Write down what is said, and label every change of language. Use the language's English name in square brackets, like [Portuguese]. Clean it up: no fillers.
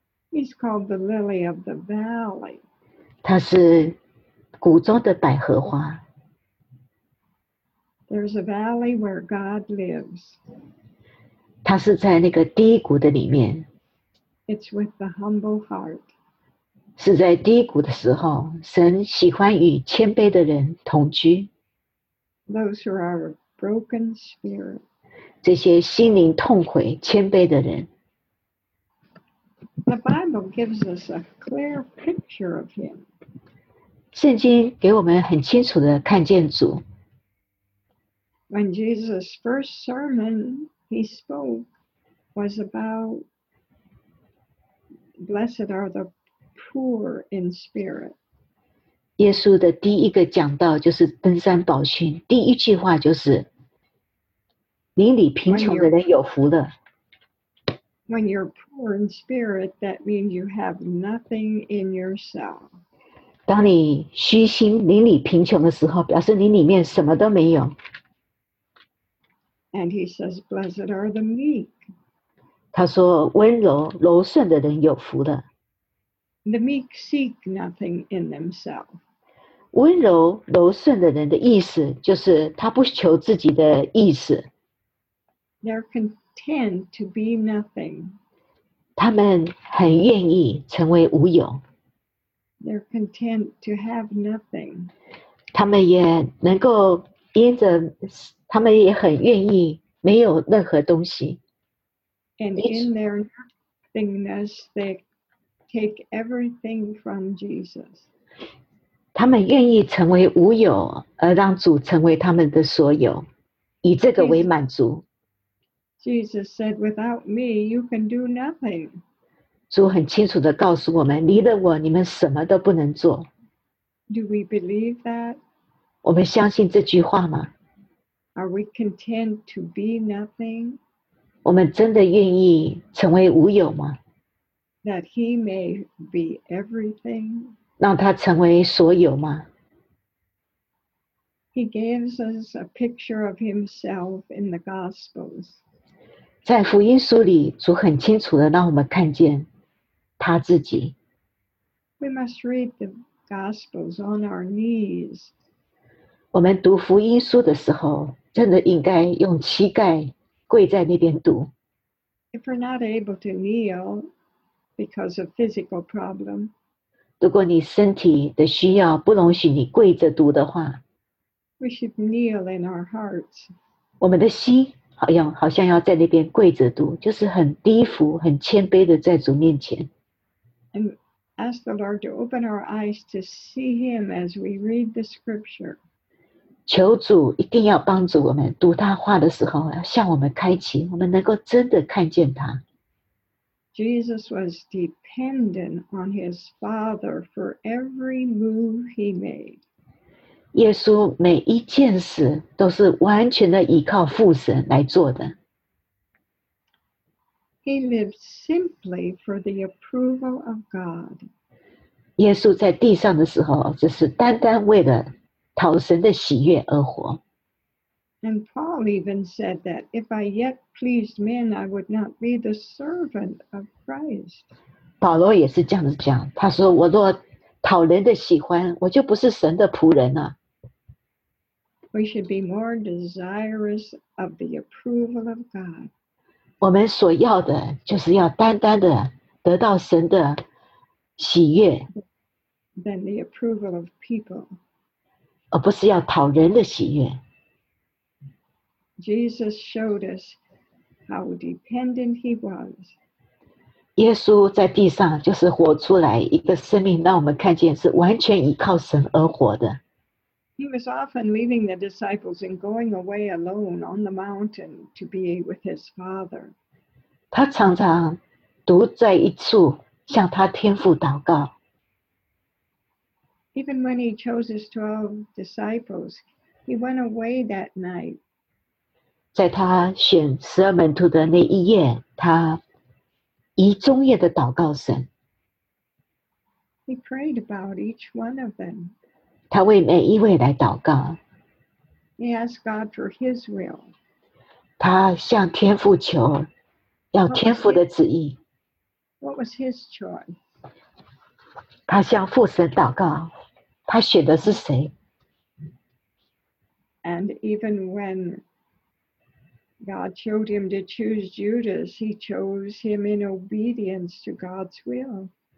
[English] He's called the lily of the valley。 [Chinese] 他是谷中的百合花。 [English] There's a valley where God lives。 [Chinese] 他是在那个低谷的里面。 [English] It's with the humble heart. [Chinese] 是在低谷的时候，神喜欢与谦卑的人同居。 [English] Those who are broken spirit. [Chinese] 这些心灵痛悔、谦卑的人。 [English] The Bible gives us a clear picture of him. [Chinese] 圣经给我们很清楚的看见主。 [English] When Jesus' first sermon. He spoke was about blessed are the poor in spirit. [Chinese] 耶稣的第一个讲道就是登山宝训，第一句话就是邻里贫穷的人有福了。 [English] When you're poor in spirit, that means you have nothing in yourself. [Chinese] 当你虚心邻里贫穷的时候，表示你里面什么都没有。 [English] And he says, blessed are the meek. [Chinese] 他说温柔柔顺的人有福的。 [English] The meek seek nothing in themselves. [Chinese] 温柔柔顺的人的意思就是他不求自己的意思。 [English] They're content to be nothing. [Chinese] 他们很愿意成为无有。 [English] They're content to have nothing. [Chinese] 他们也能够因着他们也很愿意没有任何东西。 [English] And in their nothingness, they take everything from Jesus. [Chinese] 他们愿意成为无有，而让主成为他们的所有，以这个为满足。 [English] Jesus said, "Without me, you can do nothing." [Chinese] 主很清楚地告诉我们，离了我，你们什么都不能做。 [English] Do we believe that? [Chinese] 我们相信这句话吗？ [English] Are we content to be nothing? [Chinese] 我们真的愿意成为无有吗？ [English] That he may be everything. [Chinese] 让他成为所有吗？ [English] He gives us a picture of himself in the Gospels. [Chinese] 在福音书里，主很清楚地让我们看见他自己。 [English] We must read the Gospels on our knees. [Chinese] 我们读福音书的时候真的应该用膝盖跪在那边读。 [English] If we're not able to kneel because of physical problem, [Chinese] 如果你身体的需要不容许你跪着读的话， [English] We should kneel in our hearts. [Chinese] 我们的心好像要在那边跪着读，就是很低伏、很谦卑的在主面前。 [English] And ask the Lord to open our eyes to see Him as we read the Scripture. [Chinese] 求主一定要帮助我们读他话的时候，要向我们开启，我们能够真的看见他。 [English] Jesus was dependent on His Father for every move He made. [Chinese] 耶稣每一件事都是完全的依靠父神来做的。 [English] He lived simply for the approval of God. [Chinese] 耶稣在地上的时候，就是单单为了讨神的喜悦而活。 [English] And Paul even said that if I yet pleased men, I would not be the servant of Christ. [Chinese] 保罗也是这样子讲，他说我若讨人的喜欢，我就不是神的仆人了。 [English] We should be more desirous of the approval of God. [Chinese] 我们所要的就是要单单的得到神的喜悦。 [English] Than the approval of people. [Chinese] 而不是要讨人的喜悦。 [English] Jesus showed us how dependent he was. [Chinese] 耶稣在地上就是活出来一个生命，让我们看见是完全依靠神而活的。 [English] He was often leaving the disciples and going away alone on the mountain to be with his Father. [Chinese] 他常常独在一处向他天父祷告。 [English] Even when he chose his 12 disciples, he went away that night. [Chinese] 在他选十二门徒的那一夜，他一中夜的祷告神。 [English] He prayed about each one of them. [Chinese] 他为每一位来祷告。 [English] He asked God for His will. [Chinese] 他向天父求，要天父的旨意。 [English] What was His choice? [Chinese] 他向父神祷告，他选的是谁 [English] ？And even when God showed him to choose Judas, he chose him in obedience to God's will.